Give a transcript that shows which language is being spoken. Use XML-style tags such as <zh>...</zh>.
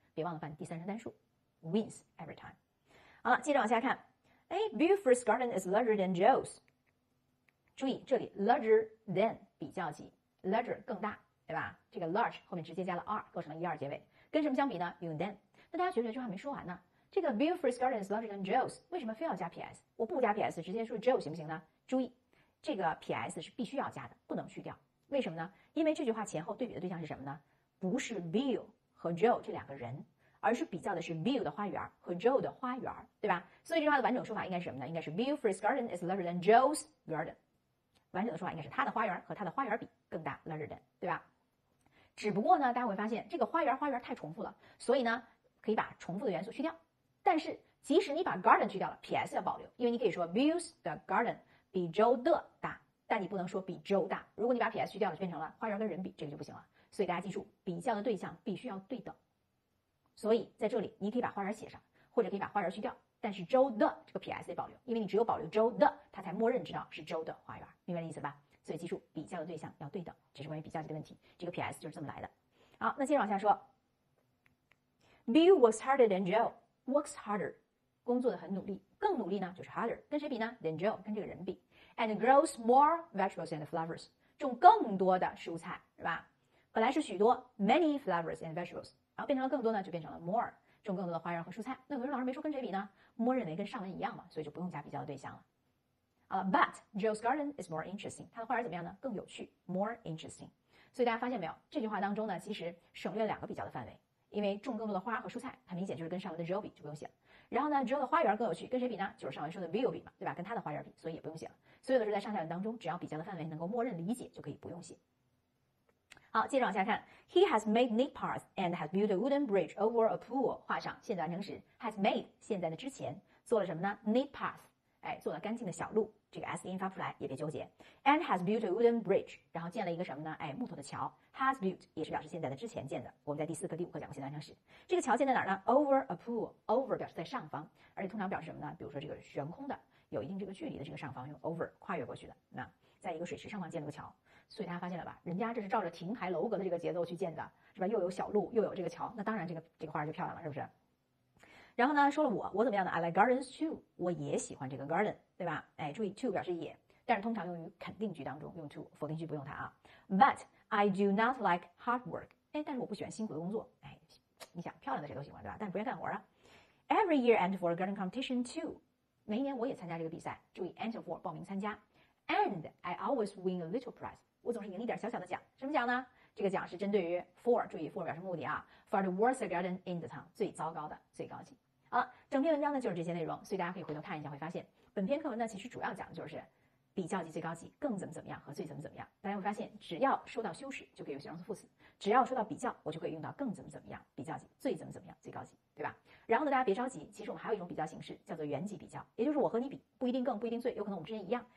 <zh>别忘了放第三人称单数 ，wins every time。好了，接着往下看。哎 ，</zh> <en>Buford's garden is larger than Joe's。</en> <zh>注意这里</zh> <en>larger than</en> <zh>比较级 ，larger 更大，对吧？这个 large 后面直接加了 r， 构成了一二结尾。跟什么相比呢？用 than。那大家觉得这句话没说完呢？这个</zh> <en>Buford's garden is larger than Joe's，</en> <zh>为什么非要加 ps？我不加 ps， 直接说 Joe 行不行呢？注意，这个 ps 是必须要加的，不能去掉。为什么呢？因为这句话前后对比的对象是什么呢？不是 Bill 和 Joe 这两个人，而是比较的是 Bill 的花园和 Joe 的花园，对吧？所以这句话的完整说法应该是什么呢？应该是</zh> <en>Buford's garden is larger than Joe's garden。</en> <zh>完整的说法应该是他的花园和他的花园比更大 ，</zh> <en>larger than，</en> <zh>对吧？只不过呢，大家会发现这个花园太重复了，所以呢，可以把重复的元素去掉。但是即使你把 garden 去掉了 ，ps 要保留，因为你可以说 Bill's 的 garden 比 Joe 的大，但你不能说比 Joe 大。如果你把 ps 去掉了，变成了花园跟人比，这个就不行了。所以大家记住，比较的对象必须要对等。所以在这里，你可以把花园写上，或者可以把花园去掉。但是 Joe 的这个 PS 得保留，因为你只有保留 Joe 的，他才默认知道是 Joe 的花园，明白的意思吧？所以记住，比较的对象要对等，这是关于比较级的问题。这个 PS 就是这么来的。好，那接着往下说</zh> <en>，Bill works harder than Joe. Works harder，</en> <zh>工作的很努力，更努力呢就是 harder， 跟谁比呢 ？</zh> <en>than Joe，</en> <zh>跟这个人比。</zh> <en>And grows more vegetables and flowers，</en> <zh>种更多的蔬菜，是吧？本来是许多</zh> <en>many flowers and vegetables，</en> <zh>然后变成了更多呢，就变成了 more。种更多的花园和蔬菜，那有人老师没说跟谁比呢？默认为跟上文一样嘛，所以就不用加比较的对象了。</zh> <en>But Joe's garden is more interesting，</en> <zh>他的花园怎么样呢？ 更有趣 ，</zh> <en>more interesting。</en> <zh>所以大家发现没有，这句话当中呢，其实省略了两个比较的范围，因为种更多的花和蔬菜，很明显就是跟上文的 Joe 比，就不用写了。然后呢 ，Joe 的花园更有趣，跟谁比呢？就是上文说的 Bill 比嘛，对吧？跟他的花园比，所以也不用写了。所有的是在上下文当中，只要比较的范围能够默认理解，就可以不用写。好，接着往下看</zh> <en>，He has made neat paths and has built a wooden bridge over a pool。</en> <zh>画上现在完成时 ，</zh> <en>has made</en> <zh>现在的之前做了什么呢 ？</zh> <en>neat paths，</en> <zh>哎，做了干净的小路，这个 s 音发不出来，也别纠结。</zh> <en>And has built a wooden bridge，</en> <zh>然后建了一个什么呢？哎，木头的桥。</zh> <en>Has built</en> <zh>也是表示现在的之前建的。我们在第四课、第五课讲过现在完成时，这个桥建在哪儿呢 ？</zh> <en>Over a pool，</en> <zh>over 表示在上方，而且通常表示什么呢？比如说这个悬空的，有一定这个距离的这个上方，用 over 跨越过去的。那在一个水池上方建了个桥。所以大家发现了吧，人家这是照着亭台楼阁的这个节奏去建的，是吧？又有小路，又有这个桥，那当然这个花园就漂亮了，是不是？然后呢，说了我怎么样呢 ？</zh> <en>I like gardens too，</en> <zh>我也喜欢这个 garden， 对吧？哎，注意 too 表示也，但是通常用于肯定句当中，用 too， 否定句不用它啊。</zh> <en>But I do not like hard work，</en> <zh>哎，但是我不喜欢辛苦的工作，哎，你想漂亮的谁都喜欢，对吧？但不愿干活啊。</zh> <en>Every year and for a garden competition too，</en> <zh>每一年我也参加这个比赛，注意 and for 报名参加。</zh> <en>And I always win a little prize，</en> <zh>我总是赢一点小小的奖。什么奖呢？这个奖是针对于 for， 注意 for 表示目的啊。</zh> <en>For the worst garden in the town，</en> <zh>最糟糕的最高级。好了，整篇文章呢就是这些内容，所以大家可以回头看一下，会发现本篇课文呢其实主要讲的就是比较级最高级更怎么怎么样和最怎么怎么样。大家会发现只要说到修饰就可以用形容词副词，只要说到比较我就可以用到更怎么怎么样，比较级最怎么怎么样最高级，对吧？然后呢大家别着急，其实我们还有一种比较形式叫做原级比较，也就是我和你比，不一定更不一定最，有可能我们之间一样。</zh>